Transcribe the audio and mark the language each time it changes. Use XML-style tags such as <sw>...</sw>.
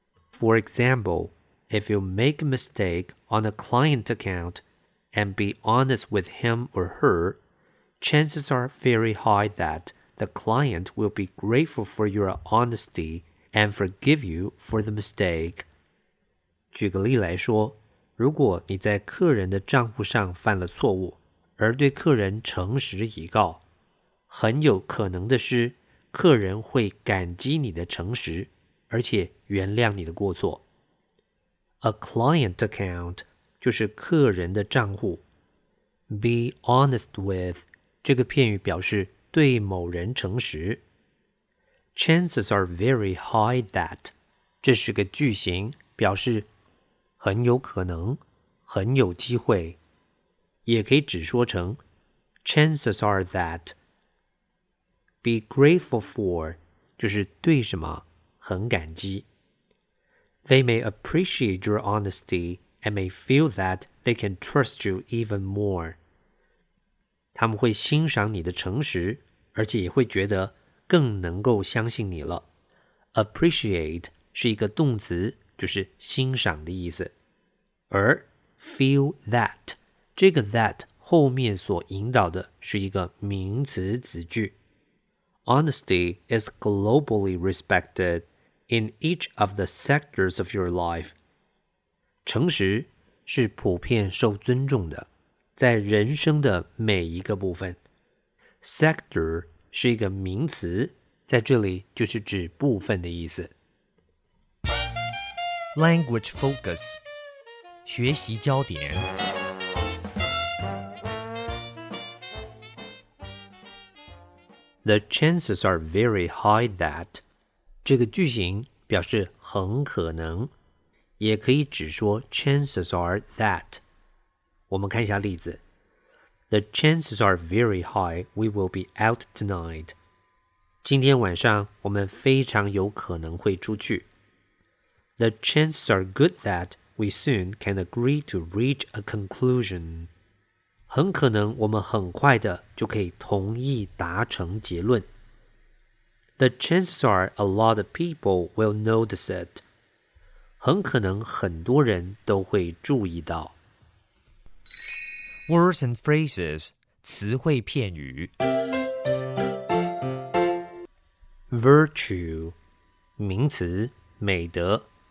<en>For example, if you make a mistake on a client account and be honest with him or her, chances are very high that the client will be grateful for your honesty and forgive you for the mistake.</en> <zh>举个例来说，如果你在客人的账户上犯了错误，而对客人诚实以告，很有可能的是客人会感激你的诚实，而且原谅你的过错。 A client account 就是客人的账户。 Be honest with 这个片语表示对某人诚实。 Chances are very high that 这是个句型，表示很有可能，很有机会，也可以只说成 Chances are that。 Be grateful for 就是对什么很感激。</zh> <en>They may appreciate your honesty and may feel that they can trust you even more.</en> <zh>他们会欣赏你的诚实，而且也会觉得更能够相信你了。 Appreciate 是一个动词，就是欣赏的意思，而 feel that 这个 that 后面所引导的是一个名词子句。</zh> <en>Honesty is globally respected in each of the sectors of your life.</en> <zh>诚实是普遍受尊重的，在人生的每一个部分。 Sector 是一个名词，在这里就是指部分的意思。 Language Focus 学习焦点。 The chances are very high that 这个句型表示很可能，也可以只说 chances are that。我们看一下例子。</zh> <en>The chances are very high we will be out tonight。</en> <zh>今天晚上我们非常有可能会出去。</zh> <en>The chances are good that we soon can agree to reach a conclusion.</en> <zh>很可能我们很快的就可以同意达成结论。</zh> <en>The chances are a lot of people will notice it.</en> <zh>很可能很多人都会注意到。</zh> <en>Words and phrases,</en> <zh>词汇片语。 Virtue, 名词，美德。</zh>